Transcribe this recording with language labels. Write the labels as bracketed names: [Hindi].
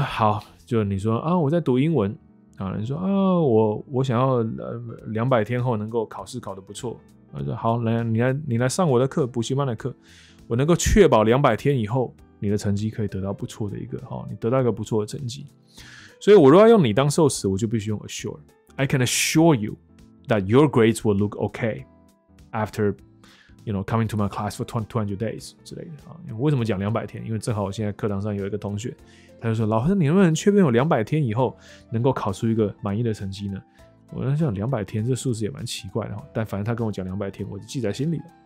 [Chinese] 好，就你说啊，我在读英文啊，你说啊，我想要200天后能够考试考得不错。他说：“好，你来上我的课，补习班的课，我能够确保200天以后，你的成绩可以得到不错的一个哈，你得到一个不错的成绩。所以，我如果要用你当受词，我就必须用 assure。 [English] I can assure you that your grades will look okay after you know coming to my class for 20 days [Chinese] 之类的啊。为什么讲200天？因为正好我现在课堂上有一个同学，他就说：老师，你能不能确定我200天以后能够考出一个满意的成绩呢？” 我在想200天这数字也蛮奇怪的，但反正他跟我讲200天我就记在心里了。